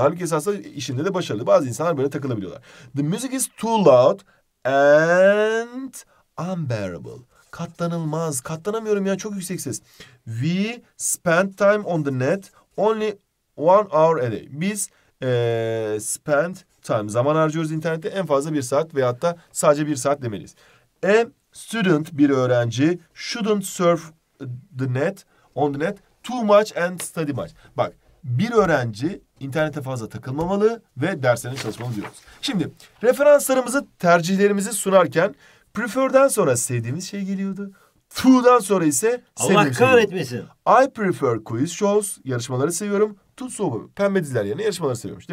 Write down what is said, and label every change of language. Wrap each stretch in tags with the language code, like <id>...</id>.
<tr>Halbuki esasında işinde de başarılı. Bazı insanlar böyle takılabiliyorlar.</tr> <en>The music is too loud and unbearable.</en> <tr>Katlanılmaz. Katlanamıyorum ya. Çok yüksek ses.</tr> <en>We spend time on the net only one hour a day.</en> <tr>Biz</tr> <en>spend time.</en> <tr>Zaman harcıyoruz internette. En fazla bir saat veyahut da sadece bir saat demeliyiz.</tr> <en>A student,</en> <tr>bir öğrenci,</tr> <en>shouldn't surf the net, on the net too much and study much.</en> <tr>Bak, bir öğrenci internete fazla takılmamalı ve derslerine çalışmalı diyoruz. Şimdi referanslarımızı, tercihlerimizi sunarken prefer'den sonra sevdiğimiz şey geliyordu. To'dan sonra ise Allah kahretmesin.</tr> <en>I prefer quiz shows,</en> <tr>yarışmaları seviyorum. To sober, pembe diziler yerine yarışmaları seviyormuş.</tr>